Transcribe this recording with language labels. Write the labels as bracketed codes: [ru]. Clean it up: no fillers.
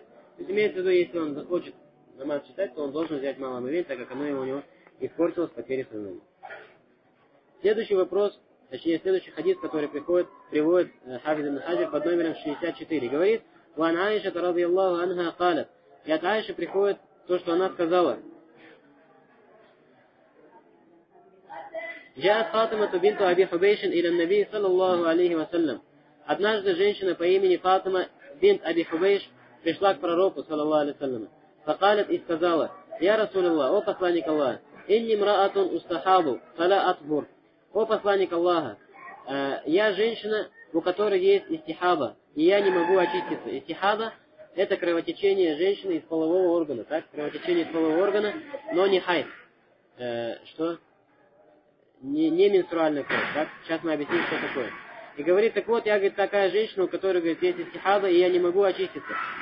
[ru] То есть, имеется в виду, если он захочет намаз читать, то он должен взять малое омовение, так как оно у него испортилось по потере сознания. Следующий вопрос, точнее, следующий хадис, который приходит, приводит Хафиз ибн Хаджар под номером 64. Говорит, [ar] «Ван Аишата радиаллаху анха калят». [ru] И от Аиши приходит то, что она сказала. [ar] جاءت فاطمة بنت أبي حبيش إلى النبي صلى الله عليه وسلم. [ru] Однажды женщина по имени فاطمة بنت أبي حبيش пришла к пророку صلى الله عليه وسلم. [ar] فقالت [ru] и сказала: [ar] يا رسول الله, [ru] о посланник Аллаха, [ar] إني امرأة أستحاب فلا أطهر. [ru] О посланник Аллаха, я женщина, у которой есть истихаба, и я не могу очиститься. Истихаба — это кровотечение женщины из полового органа, так? Кровотечение из полового органа, но не хайд. Что? Не менструальная кровь, так? Сейчас мы объясним, что такое. И говорит, так вот, я, говорит, такая женщина, у которой, говорит, есть истихаба, и я не могу очиститься.